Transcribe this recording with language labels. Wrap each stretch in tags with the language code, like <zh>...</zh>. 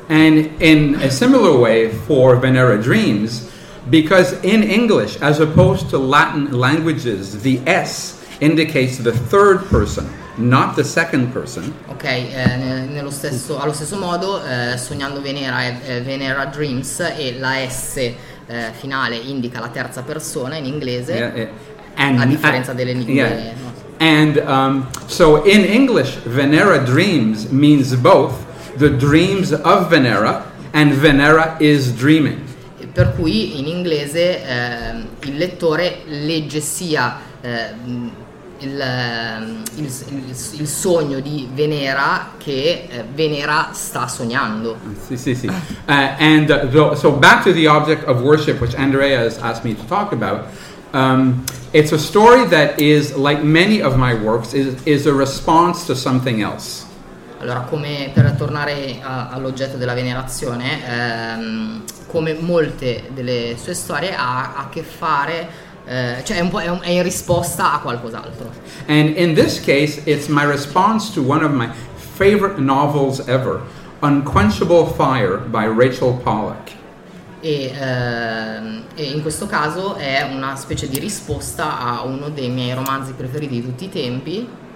<en>And in a similar way for Venera Dreams, because in English as opposed to Latin languages the S indicates the third person, not the second person.</en> <it>Ok, allo stesso modo Sognando Venera è Venera Dreams, e la S finale indica la terza persona in inglese, a differenza delle lingue.</it> <en>Yeah. And so in English Venera Dreams means both the dreams of Venera and Venera is dreaming.</en> <it>Per cui in inglese il lettore legge sia il sogno di Venera che Venera sta sognando. Sì, sì, sì.</it> <en>And so back to the object of worship, which Andrea has asked me to talk about. It's a story that is, like many of my works, is a response to something else.</en> <it>Allora, come per tornare all'oggetto della venerazione, come molte delle sue storie, ha a che fare. Cioè è in risposta a qualcos'altro.</it> <en>And in this case it's my response to one of my favorite novels ever, Unquenchable Fire by Rachel Pollack.</en> <it>E in questo caso è una specie di risposta a uno dei miei romanzi preferiti di tutti i tempi,</it>